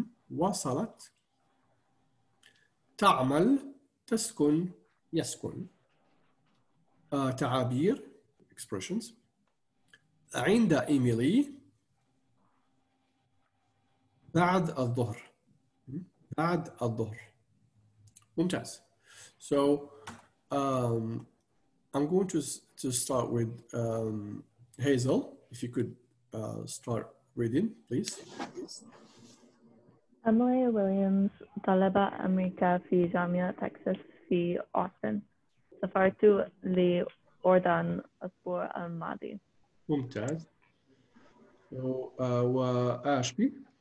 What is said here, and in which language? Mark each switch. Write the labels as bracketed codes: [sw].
[ar] وصلت تعمل تسكن يسكن تعابير expressions عند إيميلي بعد الظهر بعد الظهر ممتاز. [en] So I'm going to start with Hazel. If you could start reading, please. [ar] Emily Williams, طالبة أمريكا في جامعة تكساس في أوستن. سافرت للأردن الأسبوع الماضي. ممتاز. So وأشبي.